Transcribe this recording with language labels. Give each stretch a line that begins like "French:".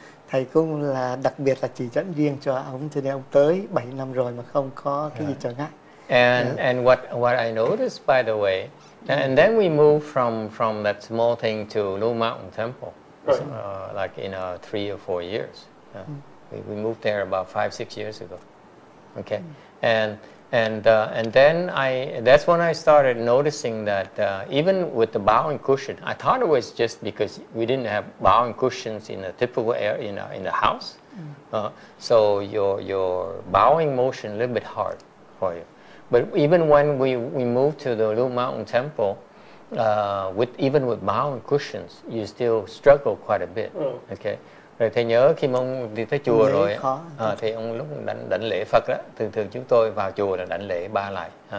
Vietnamese: Thầy cũng là đặc biệt là chỉ dẫn riêng cho ông, cho nên ông tới 7 năm rồi mà không có cái gì trở ngại.
English: And what I noticed, by the way, and then we moved from that small thing to Lu Mountain Temple, like in 3 or 4 years. We moved there about 5-6 years ago. Okay, and then that's when I started noticing that even with the bowing cushion, I thought it was just because we didn't have bowing cushions in a typical area, in the house. So your bowing motion a little bit hard for you. But even when we moved to the Lu Mountain Temple, with bowing cushions, you still struggle quite a bit. Okay.
Vietnamese: Rồi thầy nhớ khi mà ông đi tới chùa rồi, thì ông lúc đảnh lễ Phật đó, thường thường chúng tôi vào chùa là đảnh lễ 3 lại.